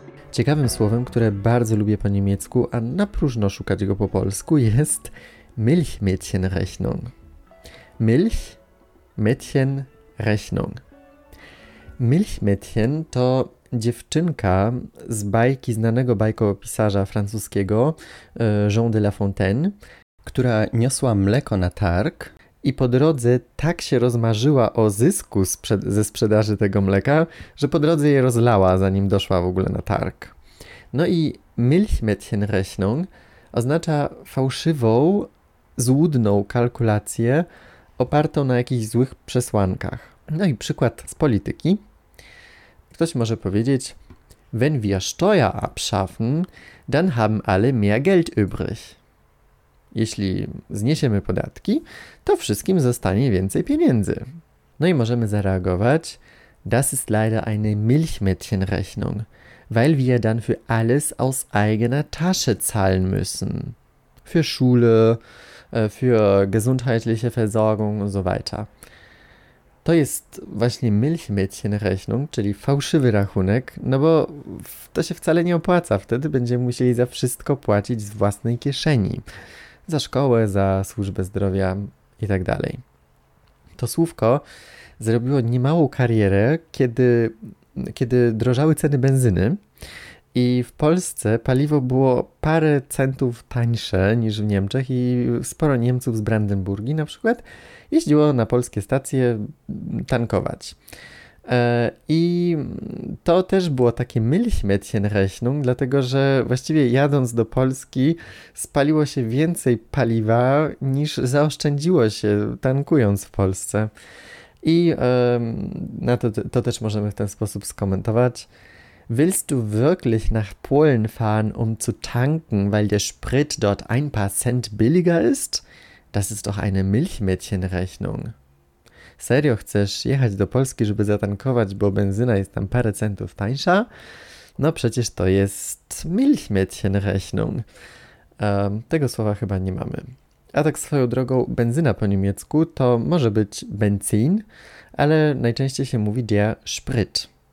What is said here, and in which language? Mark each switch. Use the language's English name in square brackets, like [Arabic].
[Polish] Ciekawym słowem, które bardzo lubię po niemiecku, a na próżno szukać go po polsku, jest Milchmädchenrechnung. Milchmädchenrechnung. Milchmädchen to dziewczynka z bajki znanego bajkopisarza francuskiego, Jean de La Fontaine, która niosła mleko na targ i po drodze tak się rozmarzyła o zysku ze sprzedaży tego mleka, że po drodze je rozlała, zanim doszła w ogóle na targ. No i Milchmädchenrechnung oznacza fałszywą, złudną kalkulację opartą na jakichś złych przesłankach. No i przykład z polityki. Ktoś może powiedzieć: [German] Wenn wir Steuer abschaffen, dann haben alle mehr Geld übrig. [Polish] Jeśli zniesiemy podatki, to wszystkim zostanie więcej pieniędzy. No i możemy zareagować: [German] Das ist leider eine Milchmädchenrechnung, weil wir dann für alles aus eigener Tasche zahlen müssen. Für Schule, für gesundheitliche Versorgung und so weiter. [Polish] To jest właśnie Milchmädchenrechnung, czyli fałszywy rachunek, no bo to się wcale nie opłaca. Wtedy będziemy musieli za wszystko płacić z własnej kieszeni. Za szkołę, za służbę zdrowia i tak dalej. To słówko zrobiło niemałą karierę, kiedy drożały ceny benzyny i w Polsce paliwo było parę centów tańsze niż w Niemczech i sporo Niemców z Brandenburgii na przykład jeździło na polskie stacje tankować. I to też było takie Milchmädchenrechnung, dlatego że właściwie jadąc do Polski spaliło się więcej paliwa niż zaoszczędziło się tankując w Polsce. I na to też możemy w ten sposób skomentować. [German] Willst du wirklich nach Polen fahren, um zu tanken, weil der Sprit dort ein paar Cent billiger ist? Das ist doch eine Milchmädchenrechnung. [Polish] Serio chcesz jechać do Polski, żeby zatankować, bo benzyna jest tam parę centów tańsza? No przecież to jest Milchmädchenrechnung. Tego słowa chyba nie mamy. A tak swoją drogą, benzyna po niemiecku to może być Benzin, ale najczęściej się mówi der Sprit.